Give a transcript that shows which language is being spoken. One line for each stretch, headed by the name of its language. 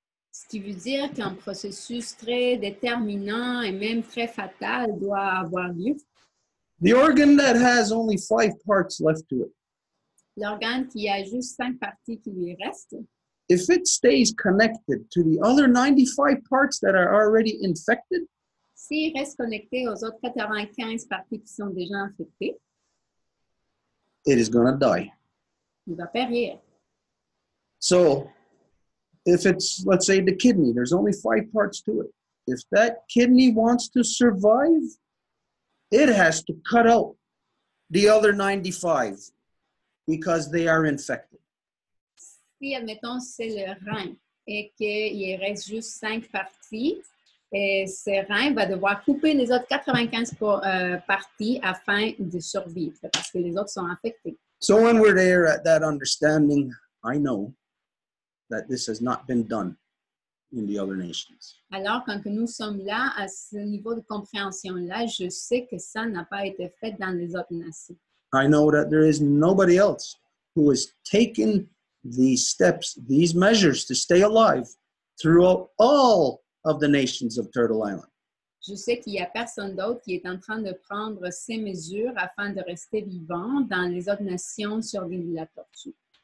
French: Ce qui veut dire qu'un processus très déterminant et même très fatal doit avoir lieu.
English: The organ that has only 5 parts left to it.
French: L'organe qui a juste 5 parties qui lui reste.
English: If it stays connected to the other 95 parts that are already infected,
French: si il reste connecté aux autres 95 parties qui sont déjà infectées,
English: it is going to die.
French: Il va périr.
English: So, if it's, let's say, the kidney, there's only 5 parts to it. If that kidney wants to survive, it has to cut out the other 95 because they are infected.
French: Si, admettons, c'est le rein et qu'il reste juste 5 parties, et ce rein va devoir couper les autres 95 parties afin de survivre parce que les autres sont infectés.
English: So when we're there at that understanding, I know that this has not been done in the other nations.
French: Alors, quand que nous sommes là, à ce niveau de compréhension-là, je sais que ça n'a pas été fait dans les autres nations.
English: I know that there is nobody else who has taken these steps, these measures to stay alive throughout all of the nations of Turtle Island.
French: Je sais qu'il y a personne d'autre qui est en train de prendre ces mesures afin de rester vivant dans les autres nations sur l'île de la Tortue.